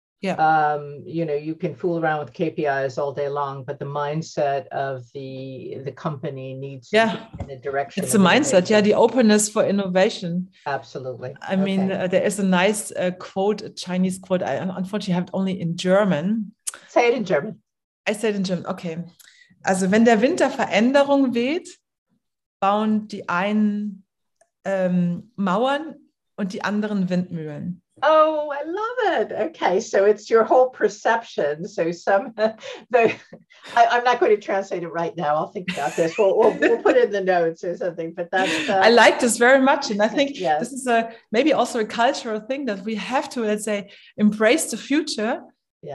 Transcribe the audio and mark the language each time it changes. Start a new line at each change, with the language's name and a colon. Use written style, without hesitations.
English: You know, you can fool around with KPIs all day long, but the mindset of the company needs to be in a direction. It's a mindset. Yeah. The openness for innovation. Absolutely. I mean, there is a nice quote, a Chinese quote. I unfortunately have it only in German. Say it in German. I said in German, okay.
German: Also, wenn der Winter Veränderung weht, bauen die einen Mauern und die anderen Windmühlen.
English: Oh, I love it. Okay, so it's your whole perception. So some, I'm not going to translate it right now. I'll think about this. We'll put it in the notes or something. But that's I like this very much. And I think this is maybe also a cultural thing that we have to, let's say, embrace the future. Yeah.